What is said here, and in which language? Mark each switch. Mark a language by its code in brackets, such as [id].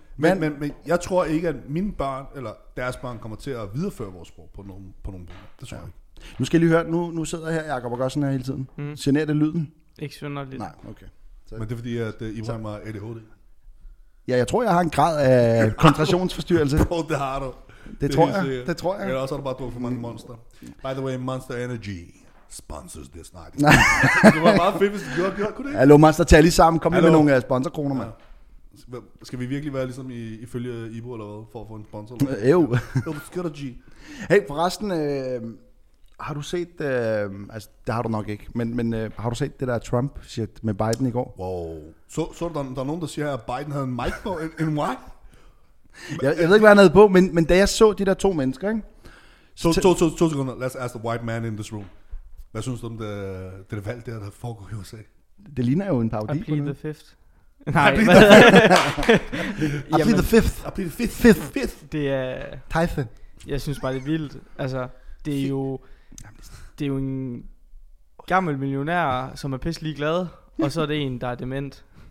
[da] Men jeg tror ikke, at mine børn eller deres børn kommer til at videreføre vores sprog på nogen måde. Det tror jeg ikke. Nu skal I lige høre, nu sidder jeg her, Jacob, og gør sådan her hele tiden. Mm. Generer det lyden? Ikke synderligt. Nej, okay. Så. Men det er fordi, at I var med ADHD? Ja, jeg tror, jeg har en grad af koncentrationsforstyrrelse. Bro, det har du. Det tror jeg. Det tror jeg. Eller også har du bare drukket for mange Monster. [en] By the way, Monster Energy sponsors this night. [da] Det var bare fedt, hvis du gjorde det. Hallo Monster, tag lige sammen. Kom lige med nogle af sponsorkroner, mand. Ja. Skal vi virkelig være ligesom ifølge Ibo eller hvad, for at få en sponsor? Jo. Jo, det skal du, G. Hey, forresten, har du set, altså det har du nok ikke, men har du set det der Trump shit med Biden i går? Wow. Så der er nogen, der siger, at Biden havde en mic på, en why? Jeg ved ikke, hvad han havde på, men da jeg så de der to mennesker, ikke? To sekunder, [en] let's ask the white man in this room. [da] Hvad synes du om det valg der, der foregår i USA? Det ligner jo en parodi. [en] I plead the fifth. [da] Nej. [en] I plead the fifth. [da] Det er... Typhon. Jeg synes bare, det er vildt. Altså, det er jo... Det er jo en gammel millionær, som er pisse ligeglad, og så er det en, der er dement.